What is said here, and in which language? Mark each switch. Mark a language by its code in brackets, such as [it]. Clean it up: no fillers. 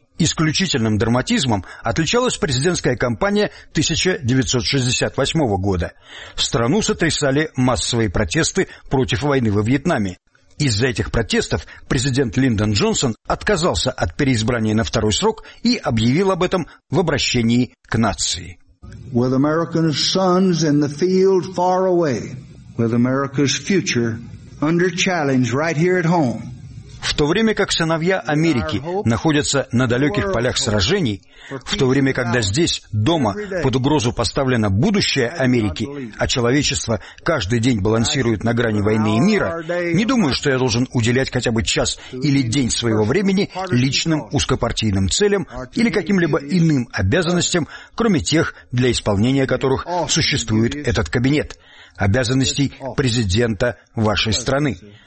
[ru] Исключительным драматизмом отличалась президентская кампания 1968 года. Страну сотрясали массовые протесты против войны во Вьетнаме. Из-за этих протестов президент Линдон Джонсон отказался от переизбрания на второй срок и объявил об этом в обращении к нации. [en] With America's sons in the field far away, with America's future under challenge right here at home, [ru] В то время как сыновья Америки находятся на далеких полях сражений, в то время когда здесь, дома, под угрозу поставлено будущее Америки, а человечество каждый день балансирует на грани войны и мира, не думаю, что я должен уделять хотя бы час или день своего времени личным узкопартийным целям или каким-либо иным обязанностям, кроме тех, для исполнения которых существует этот кабинет, обязанностей президента вашей страны.